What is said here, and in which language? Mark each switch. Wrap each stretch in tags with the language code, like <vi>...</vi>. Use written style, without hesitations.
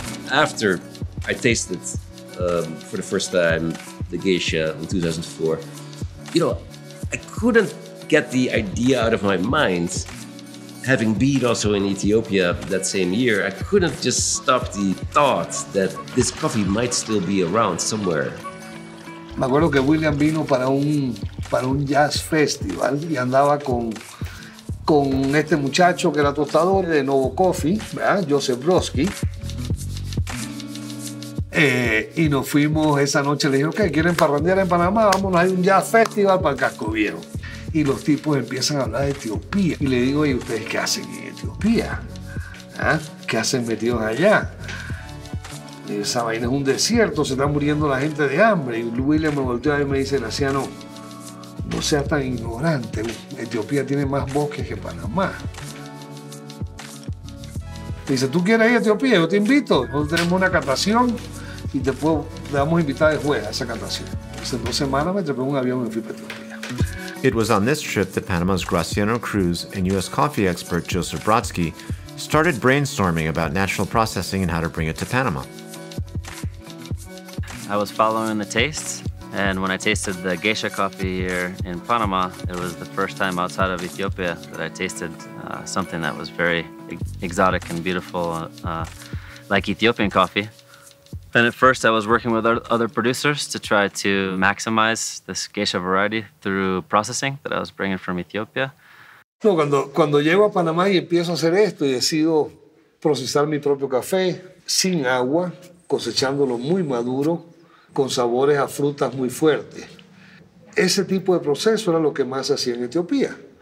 <en>After I tasted for the first time the geisha in 2004, you know, I couldn't get the idea out of my mind. Having been also in Ethiopia that same year, I couldn't just stop the thought that this coffee might still be around somewhere.</en> <es>Me acuerdo que William vino para un jazz festival y andaba con este muchacho que era tostador de Novo Coffee, ¿verdad? Joseph Broski. Y nos fuimos esa noche. Le dije, ¿qué? ¿Quieren parrandear en Panamá? Vámonos, hay un jazz festival para el casco viejo. Y los tipos empiezan a hablar de Etiopía. Y le digo, ¿y ustedes qué hacen en Etiopía? ¿Ah? ¿Qué hacen metidos allá? Y esa vaina es un desierto, se está muriendo la gente de hambre. Y William me volteó y me dice, Naciano, no seas tan ignorante. Etiopía tiene más bosques que Panamá. Y dice, ¿tú quieres ir a Etiopía? Yo te invito. Nosotros tenemos una catación y después le vamos a invitar de juez a esa catación. Entonces, 2 semanas me trepé un avión y me fui para Etiopía.</es> <en>It was on this trip that Panama's Graciano Cruz and U.S. coffee expert Joseph Brodsky started brainstorming about natural processing and how to bring it to Panama. I was following the tastes, And when I tasted the geisha coffee here in Panama, it was the first time outside of Ethiopia that I tasted something that was very exotic and beautiful, like Ethiopian coffee. And at first I was working with other producers to try to maximize this geisha variety through processing that I was bringing from Ethiopia.</en> <es>No, cuando llego a Panamá y empiezo a hacer esto y decido procesar mi propio café sin agua, cosechándolo muy maduro, con sabores a frutas muy fuertes. Ese tipo de proceso era lo que más hacía en Etiopía.</es>